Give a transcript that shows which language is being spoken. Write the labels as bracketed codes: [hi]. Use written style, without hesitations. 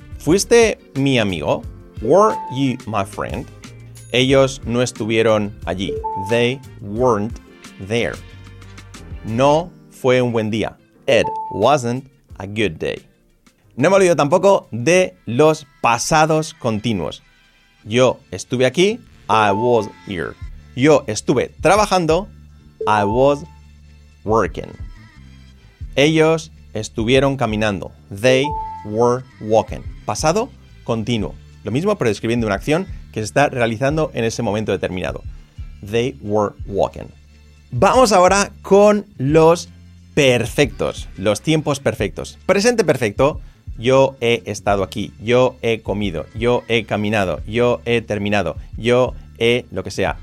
[es] ¿Fuiste mi amigo? [en] Were you my friend? [es] Ellos no estuvieron allí. [en] They weren't there. [es] No fue un buen día. [en] It wasn't a good day. [es] No me olvido tampoco de los pasados continuos. Yo estuve aquí, [en] I was here. [es] Yo estuve trabajando, [en] I was working. [es] Ellos estuvieron caminando, [en] they were walking. [es] Pasado continuo. Lo mismo pero describiendo una acción que se está realizando en ese momento determinado. [en] They were walking. [es] Vamos ahora con los perfectos, los tiempos perfectos. Presente perfecto. Yo he estado aquí, yo he comido, yo he caminado, yo he terminado, yo he lo que sea.